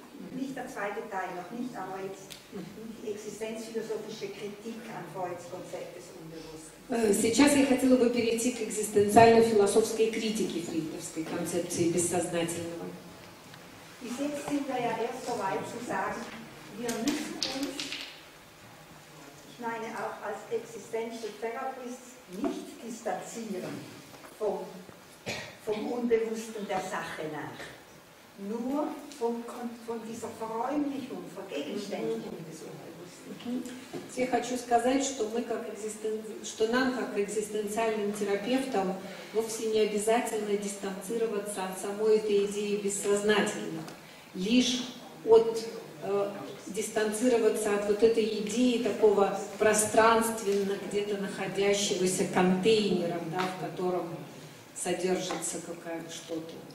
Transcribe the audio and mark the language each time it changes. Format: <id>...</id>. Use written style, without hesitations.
<de>Nicht der zweite Teil, noch nicht, aber jetzt die existenzphilosophische Kritik an Freuds Konzept des Unbewussten.</de> <ru>Сейчас я хотела бы перейти к экзистенциально-философской критике фрейдовской концепции бессознательного.</ru> <de>Bis jetzt sind wir ja erst so weit zu sagen, wir müssen uns, ich meine auch als</de> <en>existential therapists,</en> <de>nicht distanzieren vom Unbewussten der Sache nach. Nur von dieser Verräumlichung, Vergegenständigung des Unbewussten.</de> <ru>Я хочу сказать, что мы как что нам как экзистенциальным терапевтам вовсе не обязательно дистанцироваться от самой этой идеи бессознательного, лишь от дистанцироваться от вот этой идеи такого пространственно где-то находящегося контейнера, да, в котором содержится какая-то что-то.</ru>